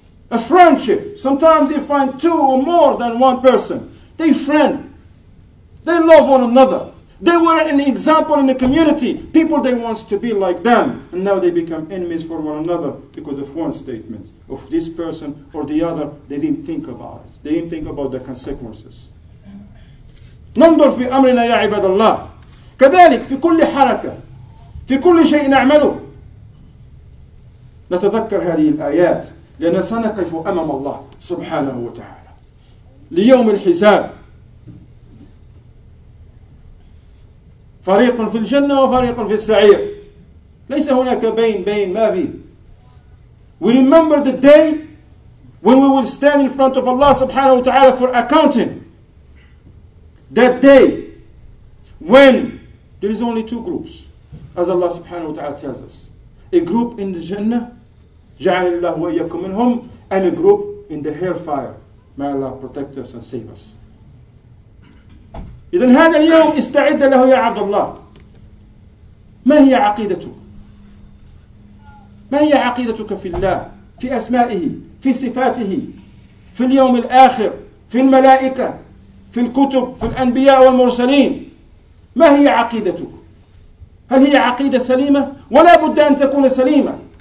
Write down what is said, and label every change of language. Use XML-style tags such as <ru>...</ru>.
<en>A friendship. Sometimes they find two or more than one person. They friend. They love one another. They were an example in the community. People, they want to be like them. And now they become enemies for one another because of one statement of this person or the other. They didn't think about it. They didn't think about the consequences.</en> <ar>ننظر في أمرنا يا عباد الله. كذلك في كل حركة في كل شيء نعمله نتذكر هذه الآيات لأن سنقف أمام الله سبحانه وتعالى ليوم الحساب. فريق في الجنة وفريق في السعير. ليس هناك بين ما في.</ar> <en>We remember the day when we will stand in front of Allah</en> <ar>سبحانه وتعالى</ar> <en>for accounting. That day when there is only two groups, as Allah subhanahu wa ta'ala tells us. A group in the Jannah,</en> <ar>جَعَلِ اللَّهُ وَإِيَّكُمْ مِنْهُمْ,</ar> <en>and a group in the hellfire. May Allah protect us and save us.</en> <ar>إذن هذا اليوم استعد له يا عبد الله. ما هي عقيدتك؟ ما هي عقيدتك في الله؟ في أسمائه؟ في صفاته؟ في اليوم الآخر؟ في الملائكة؟ في الكتب؟ في الأنبياء والمرسلين؟ ما هي عقيدتك؟ هل هي عقيدة سليمة؟ ولا بد أن تكون سليمة.</ar>